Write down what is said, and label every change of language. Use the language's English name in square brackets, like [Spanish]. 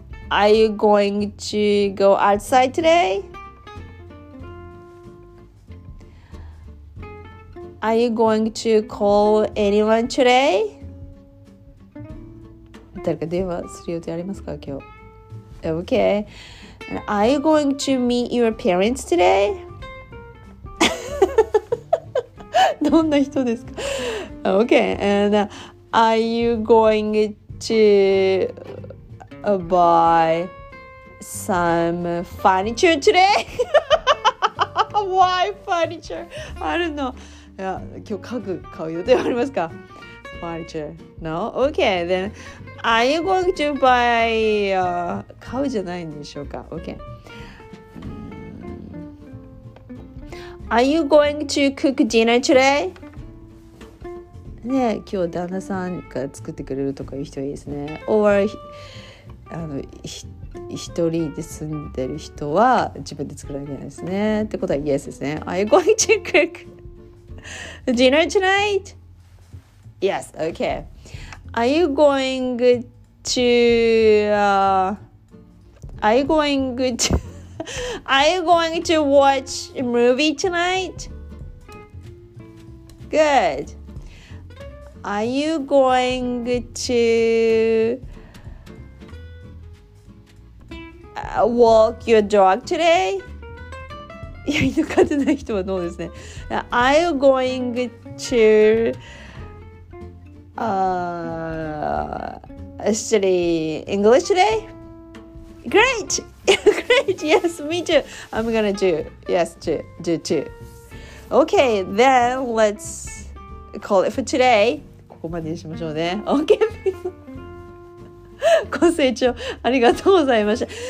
[English] Are you going to go outside today? Are you going to call anyone today? [Japanese] 誰か電話する予定ありますか今日。 [English] Okay. Are you going to meet your parents today? [Japanese] どんな人ですか。 [English] Okay. And are you going to buy some furniture today? Why furniture? I don't know. [Japanese] 今日家具買う予定ありますか。 [English] Furniture. No? Okay, then are you going to buy, [Japanese] 買うじゃないんでしょうか? [English] Okay. Are you going to cook dinner today? [Japanese] ね、今日旦那さんが作ってくれるとかいう人いいですね。 [English] Or, [Japanese] 一人で住んでる人は自分で作らなきゃいけないですね。ってことは [English] Yes [Japanese] ですね。 [English] Are you going to cook dinner tonight? Yes, okay. Are you going to, are you going to watch a movie tonight? Good. Are you going to, walk your dog today? [Japanese] いや、犬飼ってない人はどうですね。 [English] Are you going to,study English today? Great! Great! Yes, me too! I'm gonna do, yes, do too. Okay, then let's call it for today. [Japanese] ここまでにしましょうね。 [English] Okay! [Japanese] ご清聴ありがとうございました。